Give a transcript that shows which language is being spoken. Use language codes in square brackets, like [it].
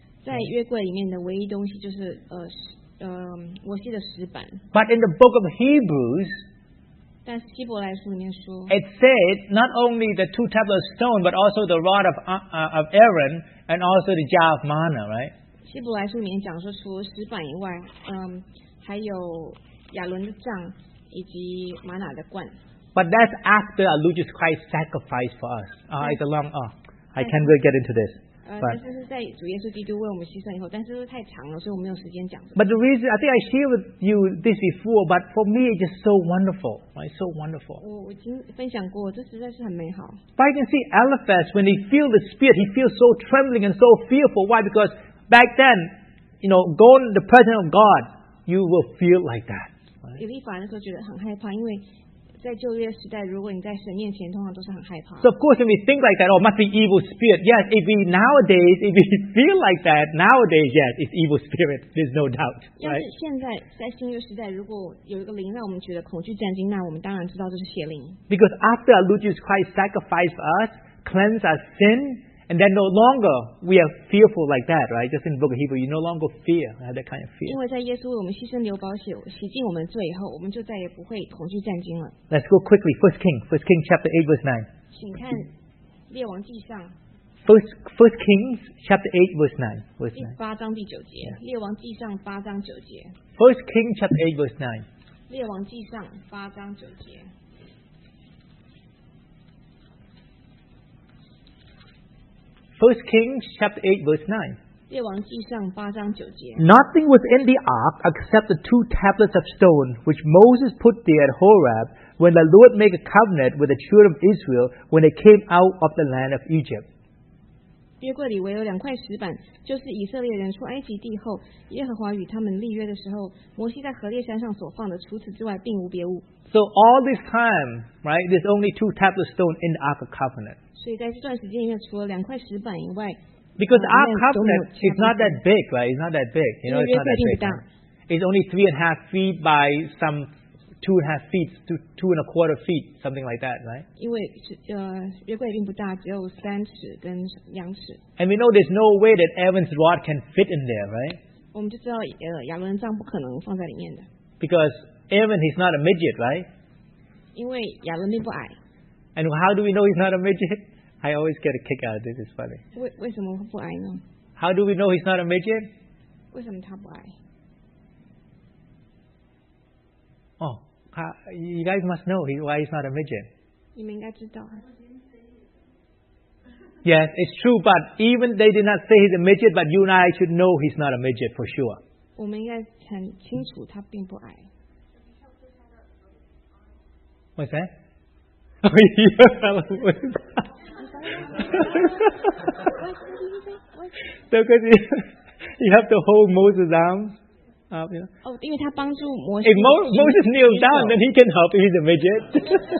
[zh] 在约柜里面的唯一东西就是摩西的石板。 [en] But in the book of Hebrews, [zh] 但是希伯来书里面说 [en] it said not only the two tablets of stone, but also the rod of Aaron. And also the jar of manna, right? [zh] 希伯来书里面讲说，除了石板以外，还有亚伦的杖以及玛拿的罐。 [en] But that's after our Lord Jesus Christ sacrificed for us. I can't really get into this. [zh] 这是在主耶稣基督为我们牺牲以后，但是太长了，所以我没有时间讲。 [en] But the reason I think I shared with you this before, but for me it's just so wonderful, right? So wonderful. [zh] 我已经分享过，这实在是很美好。 [en] But I can see Eliphaz when he feels the spirit, he feels so trembling and so fearful. Why? Because back then, you know, going to the presence of God, you will feel like that. [zh] 以利法那时候觉得很害怕，因为在旧约时代，如果你在神面前，通常都是很害怕。 [en] So of course, if we think like that, oh, must be evil spirit. Yes, if we nowadays, if we feel like that nowadays, yes, it's evil spirit. There's no doubt. [zh] 但是现在在新约时代，如果有一个灵让我们觉得恐惧战惊，那我们当然知道这是邪灵。 [en] Because after our Lord Jesus Christ sacrificed for us, cleansed our sin, and then no longer we are fearful like that, right? Just in the book of Hebrew, you no longer fear that kind of fear. [zh] 因为在耶稣为我们牺牲流宝血，洗净我们罪以后，我们就再也不会恐惧战惊了。 [en] Let's go quickly. First Kings chapter 8 verse 9. [zh] 请看列王记上。 [en] First Kings chapter 8 verse 9. [zh] 第八章第九节。列王记上八章九节。 [en] First Kings chapter 8 verse 9. [zh] 列王记上八章九节。 [en] First Kings chapter 8 verse 9. [zh] 列王记上八章九节。 [en] Nothing was in the ark except the two tablets of stone which Moses put there at Horeb when the Lord made a covenant with the children of Israel when they came out of the land of Egypt. [zh] 约柜里唯有两块石板，就是以色列人出埃及地后，耶和华与他们立约的时候，摩西在何烈山上所放的。除此之外，并无别物。 [en] So all this time, right, there's only two tablets of stone in the Ark of Covenant. [zh] 所以在这段时间里面，除了两块石板以外， [en] because the Ark of Covenant is not that big, right? It's not that big. You know, it's not that big. It's only 3.5 feet by some 2.5 feet, two and a quarter feet, something like that, right? [zh] 因为约柜并不大，只有三尺跟两尺。 [en] And we know there's no way that Aaron's rod can fit in there, right? [zh] 我们就知道亚伦杖不可能放在里面的。 [en] Because Aaron, he's not a midget, right? [zh] 因为亚伦并不矮。 [en] And how do we know he's not a midget? I always get a kick out of this. It's funny. [zh] 为什么不矮呢？ [en] How do we know he's not a midget? [zh] 为什么他不矮？ [en] Oh, you guys must know why he's not a midget. [zh] 你们应该知道。 [en] Yes, it's true, but even they did not say he's a midget, but you and I should know he's not a midget for sure. [zh] 我们应该很清楚他并不矮。 [en] What's that? So, because you have to hold Moses' arms. If Moses kneels down, then he can help if he's a midget.